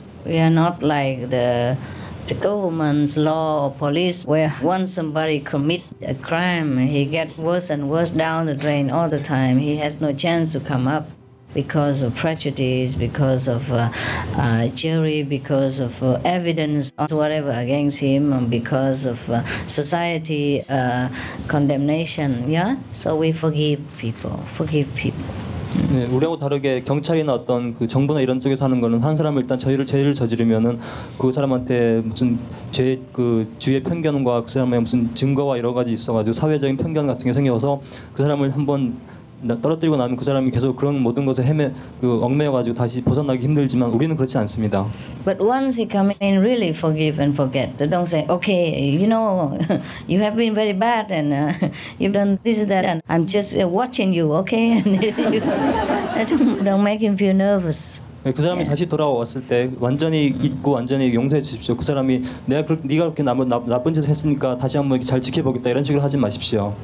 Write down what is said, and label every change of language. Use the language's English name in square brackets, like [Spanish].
[English] We are not like the government's law or police where once somebody commits a crime, he gets worse and worse down the drain all the time. He has no chance to come up because of prejudice, because of jury, because of evidence or whatever against him, because of society condemnation. Yeah? So we forgive people, forgive people. [Korean] 네, 우리하고 다르게 경찰이나 어떤 그 정부나 이런 쪽에서 하는 거는 한 사람을 일단 죄를 저지르면은 그 사람한테 무슨 죄 그 주의 편견과 그 사람의 무슨 증거와 여러 가지 있어가지고 사회적인 편견 같은 게 생겨서 그 사람을 한번 떨어뜨리고 나면 그 사람이 계속 그런 모든 것에 얽매여가지고 다시 벗어나기 힘들지만 우리는 그렇지 않습니다. [English] But once he comes in, really forgive and forget. Don't say, okay, you know, you have been very bad and you've done this and that, and I'm just watching you, okay? And you, don't make him feel nervous. [Korean] 그 사람이 다시 돌아왔을 때 완전히 잊고 완전히 용서해 주십시오. 그 사람이 내가 그렇게 네가 그렇게 나쁜 짓을 했으니까 다시 한번 이렇게 잘 지켜보겠다 이런 식으로 하지 마십시오.